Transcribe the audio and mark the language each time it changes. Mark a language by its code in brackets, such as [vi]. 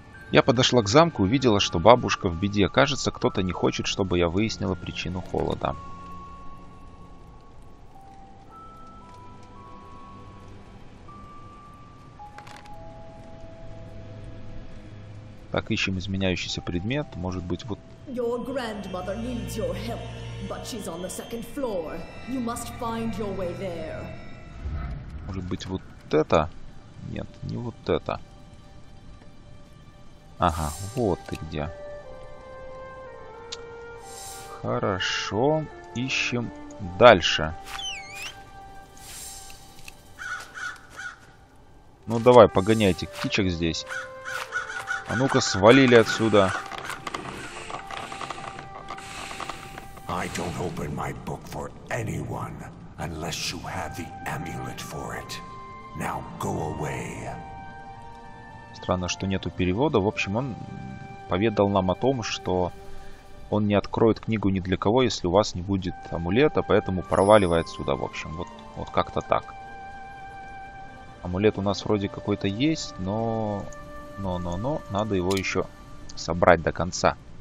[ru] Я подошла к замку и увидела, что бабушка в беде. Кажется, кто-то не хочет, чтобы я выяснила причину холода. Так, ищем изменяющийся предмет. Может быть, вот... [en] Your grandmother needs your help, but she's on the second floor. You must find your way there. [ru] Может быть, вот это? Нет, не вот это. Ага, вот ты где. Хорошо, ищем дальше. Ну давай, погоняй этих птичек здесь. А ну-ка, свалили отсюда. [en] I don't open my book for anyone, unless you have the amulet for it. Now go away. [ru] Странно, что нету перевода. В общем, он поведал нам о том, что он не откроет книгу ни для кого, если у вас не будет амулета, поэтому проваливай отсюда, в общем. Вот как-то так. Амулет у нас вроде какой-то есть, но... Но, надо его еще собрать до конца.